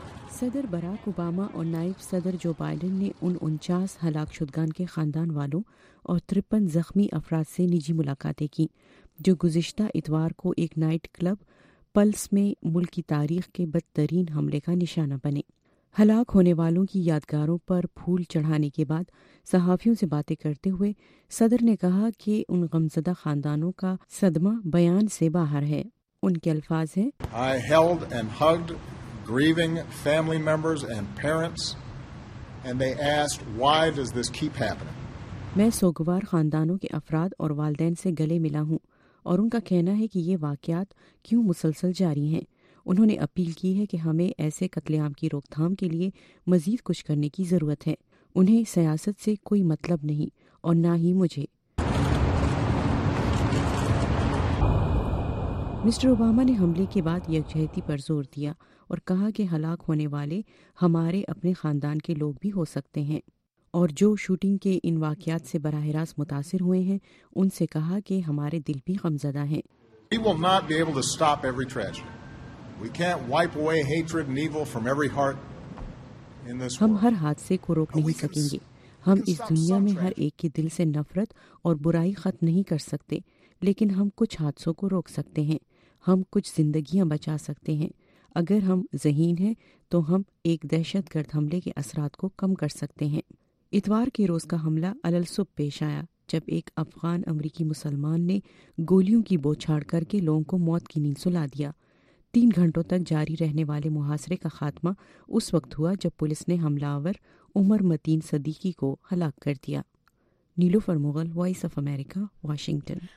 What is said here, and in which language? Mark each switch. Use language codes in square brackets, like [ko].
[ur] صدر Barack Obama اور نائب صدر جو بائیڈن نے ان 49 ہلاک شدگان کے خاندان والوں اور 53 زخمی افراد سے نجی ملاقاتیں کی، جو گزشتہ اتوار کو ایک نائٹ کلب پلس میں ملک کی تاریخ کے بدترین حملے کا نشانہ بنے۔ ہلاک ہونے والوں کی یادگاروں پر پھول چڑھانے کے بعد صحافیوں سے باتیں کرتے ہوئے صدر نے کہا کہ ان غمزدہ خاندانوں کا صدمہ بیان سے باہر ہے۔ ان کے الفاظ ہیں، [en] I held and hugged grieving family members and parents, and they asked, why does this keep happening? [ur] میں سوگوار خاندانوں کے افراد اور والدین سے گلے ملا ہوں، اور ان کا کہنا ہے کہ یہ واقعات کیوں مسلسل جاری ہیں۔ انہوں نے اپیل کی ہے کہ ہمیں ایسے قتل عام کی روک تھام کے لیے مزید کچھ کرنے کی ضرورت ہے۔ انہیں سیاست سے کوئی مطلب نہیں، اور نہ ہی مجھے۔ مسٹر اوباما نے حملے کے بعد یکجہتی پر زور دیا اور کہا کہ ہلاک ہونے والے ہمارے اپنے خاندان کے لوگ بھی ہو سکتے ہیں، اور جو شوٹنگ کے ان واقعات سے براہ راست متاثر ہوئے ہیں ان سے کہا کہ ہمارے دل بھی غمزدہ ہیں۔ [en] We will not be able to stop every tragedy. We can't wipe away hatred and evil from every heart in this world. [ur] ہم ہر حادثے کو روک نہیں سکیں گے۔ ہم اس دنیا میں ہر ایک کے دل سے نفرت اور برائی ختم نہیں کر سکتے، لیکن ہم کچھ حادثوں کو روک سکتے ہیں، ہم کچھ زندگیاں بچا سکتے ہیں۔ اگر ہم ذہین ہیں تو ہم ایک دہشت گرد حملے کے اثرات کو کم کر سکتے ہیں۔ اتوار کے روز کا حملہ علل صبح پیش آیا جب ایک افغان امریکی مسلمان نے گولیوں کی بوچھاڑ کر کے لوگوں کو موت کی نیند سلا دیا۔ 3 گھنٹوں تک جاری رہنے والے محاصرے کا خاتمہ اس وقت ہوا جب پولیس نے حملہ آور عمر متین صدیقی کو ہلاک کر دیا۔ نیلوفر Mughal, voice of America, Washington.